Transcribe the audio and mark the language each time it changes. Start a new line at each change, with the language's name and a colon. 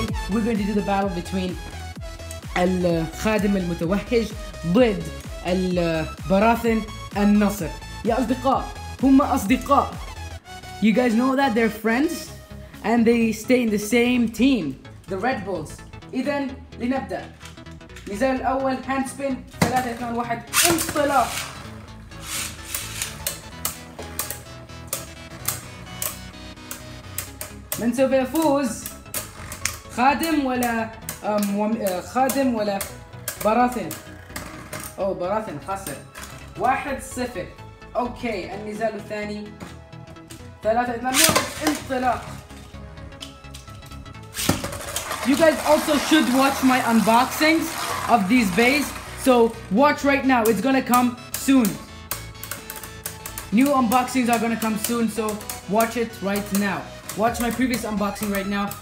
English: We're going to do the battle between
Arabic: الخادم المتوهج ضد البراثن النصر. يا أصدقاء، هم أصدقاء.
English: You guys know that they're friends and they stay in the same team, the Red Bulls.
Arabic: إذا لنبدأ. نزال الأول
English: hand spin
Arabic: 3-2-1 انطلاق. من سوف يفوز؟ خادم ولا خادم ولا براثن؟ أو براثن خسر 1-0. أوكي، النزال الثاني 3-2 انطلاق.
English: You guys also should watch my unboxings of these bays. So watch right now. It's gonna come soon. New unboxings are gonna come soon. So watch it right now. Watch my previous unboxing right now.